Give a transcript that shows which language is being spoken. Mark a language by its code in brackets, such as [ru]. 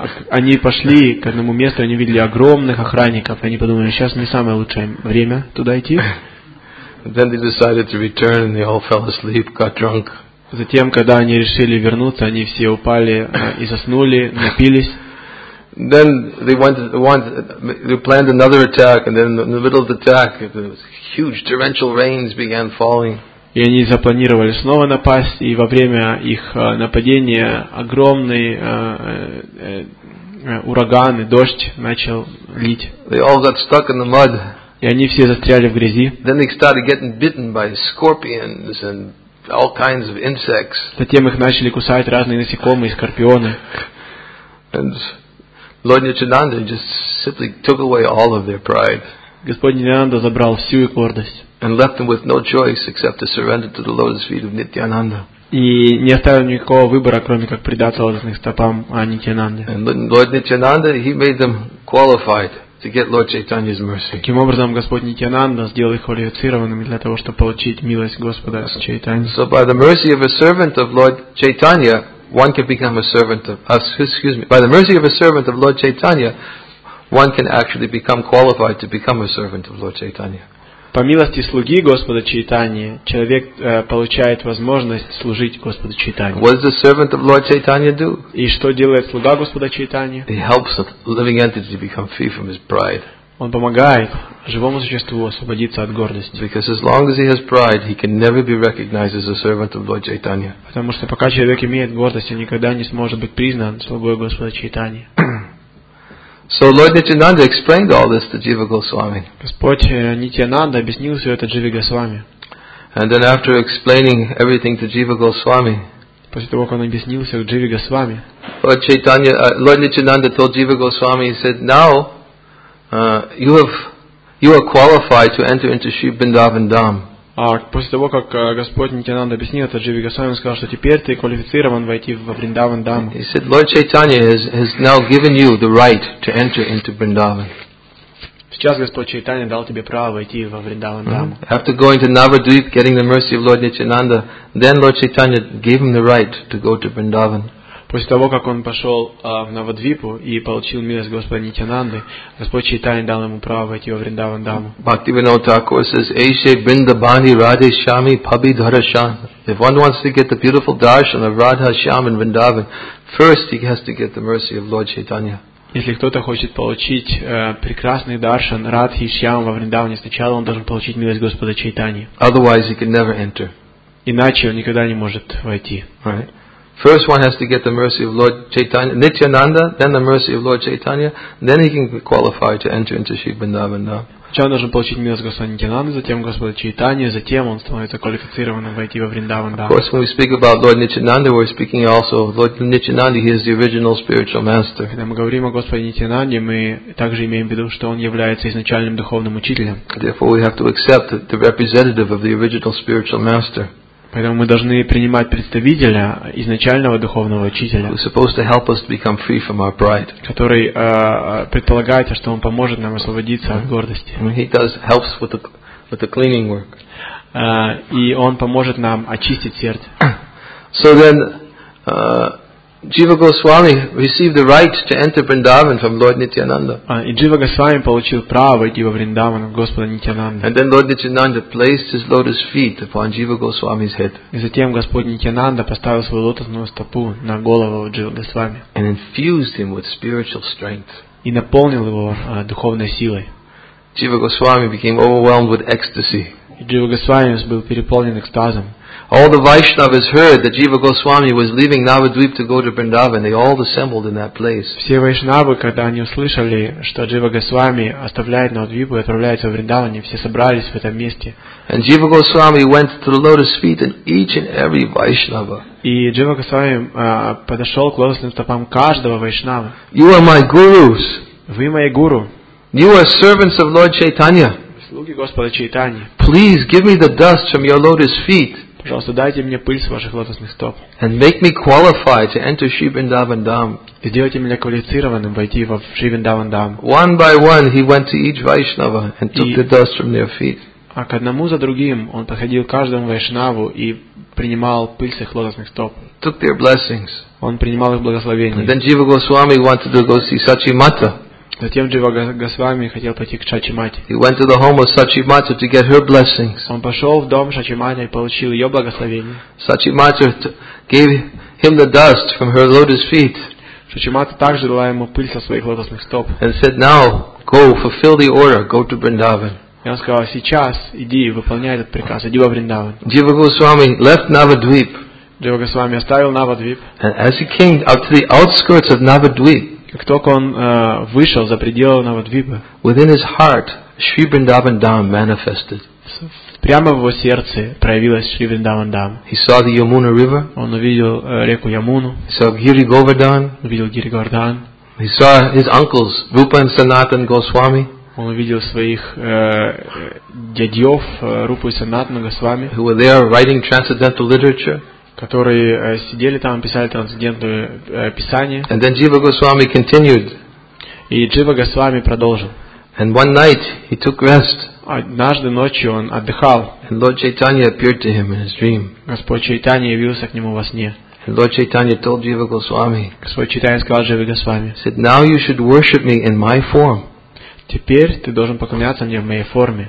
[ru] Они пошли к одному месту, они видели огромных охранников, они подумали, сейчас не самое лучшее время туда идти. [en] Then they decided to return, and they all fell asleep, got drunk. [ru] Затем, когда они решили вернуться, они все упали и заснули, напились. [en] Then they went they planned another attack, and then in the middle of the attack, the huge torrential rains began falling. [ru] И они запланировали снова напасть, и во время их нападения огромный ураган и дождь начал лить. [en] They all got stuck in the mud. [ru] И они все застряли в грязи. [en] Then they started getting bitten by scorpions and all kinds of insects. [ru] Затем их начали кусать разные насекомые и скорпионы. [en] And Lord Nityananda just simply took away all of their pride. [ru] Господь Нитянанда забрал всю их гордость. [en] And left them with no choice except to surrender to the lotus feet of Nityananda. [ru] И не оставил никакого выбора, кроме как предаться лотосных стопам Нитянанды. [en] And Lord Nityananda, he made them qualified to get Lord Chaitanya's mercy. [ru] Таким образом, Господь Нитянанда сделал их квалифицированными для того, чтобы получить милость Господа с Чайтаньей. [en] So by the mercy of a servant of Lord Chaitanya, one can become a servant of by the mercy of a servant of Lord Chaitanya, one can actually become qualified to become a servant of Lord Chaitanya. [ru] По милости слуги Господа Чайтаньи, человек получает возможность служить Господу Чайтаньи. [en] What does the servant of Lord Chaitanya do? [ru] И что делает слуга Господа Чайтаньи? [en] He helps a living entity become free from his pride. [ru] Он помогает живому существу освободиться от гордости. [en] Because as long as he has pride, he can never be recognized as a servant of Lord Chaitanya. [ru] Потому что пока человек имеет гордость, он никогда не сможет быть признан слугой Господа Чайтаньи. [en] So Lord Nityananda explained all this to Jiva Goswami. [ru] Господь Нитянанда объяснил все это Дживе Госвами. [en] And then after explaining everything to Jiva Goswami, [ru] после того как он объяснил все Дживе Госвами, [en] Lord Nityananda told Jiva Goswami, he said, now you are qualified to enter into Sri Vrindavan Dham. [ru] А после того как Господь Нитянанда объяснил это Дживе Госвами, сказал, что теперь ты квалифицирован войти в Вриндаван Дам. [en] He said, Lord Chaitanya has now given you the right to enter into Vrindavan. [ru] Сейчас Господь Чайтанья дал тебе право войти во Вриндаван Дам. [en] After going to Navadvip, getting the mercy of Lord Nityananda, then Lord Chaitanya gave him the right to go to Vrindavan. [ru] После того как он пошел в Навадвипу и получил милость Господа Нитянанды, Господь Чайтанья дал ему право войти во Вриндаван Даму. [bn] Бхактивинода Тхакура [en] says, [bn] "Эйше Бриндабани Раде Шьяме Пхаби Дхарашан." [en] If one wants to get the beautiful darshan of Radha Shyam in Vrindavan, first he has to get the mercy of Lord Chaitanya. [ru] Если кто-то хочет получить прекрасный даршан Радхи Шьям во Вриндаване, сначала он должен получить милость Господа Чайтаньи. [en] Otherwise, he can never enter. [ru] Иначе он никогда не может войти. [en] Right. First one has to get the mercy of Lord Chaitanya, Nityananda, then the mercy of Lord Chaitanya, then he can qualify to enter into Sri Vrindavan Dham. [ru] Сначала он должен получить милость Господа Нитянанды, затем Господа Чайтанья, затем он становится квалифицированным войти во Вриндаван Дам. [en] Of course, when we speak about Lord Nityananda, we're speaking also of Lord Nityananda, he is the original spiritual master. [ru] Когда мы говорим о Господе Нитянанде, мы также имеем в виду, что он является изначальным духовным учителем. [en] Therefore, we have to accept the representative of the original spiritual master. [ru] Поэтому мы должны принимать представителя изначального духовного учителя, [en] supposed to help us become free from our pride. [ru] Который предполагается, что он поможет нам освободиться от гордости. [en] He does helps with the cleaning work. [ru] И он поможет нам очистить сердце. [en] So then, Jiva Goswami received the right to enter Vrindavan from Lord Nityananda. [ru] И Джива Госвами получил право войти во Вриндаван от Господа Нитянанды. [en] And then Lord Nityananda placed his lotus feet upon Jiva Goswami's head. [ru] И затем Господь Нитянанда поставил свою лотосную стопу на голову Джива Госвами. [en] And infused him with spiritual strength. [ru] И наполнил его духовной силой. [en] Jiva Goswami became overwhelmed with ecstasy. [ru] И Джива Госвами был переполнен экстазом. [en] All the Vaishnavas heard that Jiva Goswami was leaving Navadvip to go to Vrindavan. They all assembled in that place. [ru] Все вайшнавы, когда они услышали, что Джива Госвами оставляет Навадвипу и отправляется в Вриндаван, все собрались в этом месте. [en] And Jiva Goswami went to the lotus feet of each and every Vaishnava. [ru] И Джива Госвами подошел к лотосным стопам каждого вайшнавы. [en] You are my gurus. [ru] Вы мои гуру. [en] You are servants of Lord Chaitanya. [ru] Слуги Господа Чайтаньи. [en] Please give me the dust from your lotus feet. [ru] Пожалуйста, дайте мне пыль с ваших лотосных стоп. [en] And make me qualified to enter Sri Vrindavan Dham. [ru] Сделайте меня квалифицированным войти в Sri Vrindavan Dham. [en] One by one, he went to each Vaishnava and took the dust from their feet. [ru] А к одному за другим он подходил к каждому вайшнаву и принимал пыль с их лотосных стоп. [en] Took their blessings. [ru] Он принимал их благословения. [en] Then Jiva Goswami wanted to go see Sachi Mata. [ru] Затем Джива Госвами хотел пойти к Шачимате. [en] He went to the home of Шачимата to get her blessings. [ru] Он пошел в дом Шачимате и получил ее благословение. [en] Шачимата gave him the dust from her lotus feet. [ru] Шичимата также дала ему пыль со своих лотосных стоп. [en] And said, now go, fulfill the order, go to Vrindavan. [ru] И он сказал, сейчас иди и выполняй этот приказ, иди во Вриндаван. [en] Дива Госвами left Navadvip. [ru] Дива Госвами оставил Навадвип. [en] And as he came out to the outskirts of Navadvip, [ru] как только он вышел за пределы Навадвипа, [en] within his heart, Shri Vrindavan Dham manifested. [ru] Прямо в его сердце проявилась Шри Вриндаван Дам. [en] He saw the Yamuna River. [ru] Он увидел реку Ямуну. [en] He saw Giri Govardhan. [ru] Увидел Гири Говардхан. [en] He saw his uncles Rupa and Sanatan Goswami. [ru] Он увидел своих дядьев Рупу и Санатану Госвами. [en] Who were there writing transcendental literature. [ru] Которые сидели там и писали трансцендентное писание. [en] And then Jiva Goswami continued. [ru] И Джива Госвами продолжил. [en] And one night he took rest. [ru] Однажды ночью он отдыхал. [en] And Lord Chaitanya appeared to him in his dream. [ru] Господь Чайтанья явился к нему во сне. [en] And Lord Chaitanya told Jiva Goswami. [ru] Господь Чайтанья сказал Джива Госвами. [en] Said, now you should worship me in my form. [ru] Теперь ты должен поклоняться мне в моей форме.